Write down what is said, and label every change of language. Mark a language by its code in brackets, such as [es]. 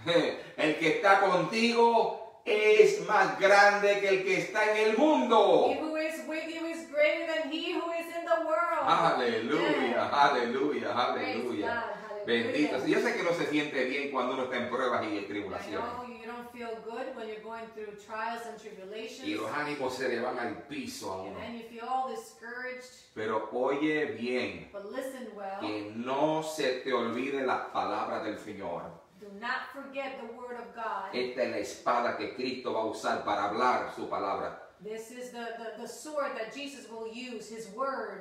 [es] El que está contigo es más grande que el que está en el mundo. [en] He who is with you is greater than he who is in the world. [es] Aleluya, aleluya, aleluya. Bendito. [en] Hallelujah. [es] Yo sé que no se siente bien cuando uno está en pruebas y en tribulaciones. [en] You don't feel good when you're going through trials and tribulations. [es] Y los ánimos se le van al piso a uno. [en] And you feel all discouraged. [es] Pero oye bien. [en] But listen well. [es] Que no se te olvide la palabra del Señor. [en] Do not forget the word of God. [es] Esta es la espada que Cristo va a usar para hablar su palabra. [en] This is the sword that Jesus will use, his word.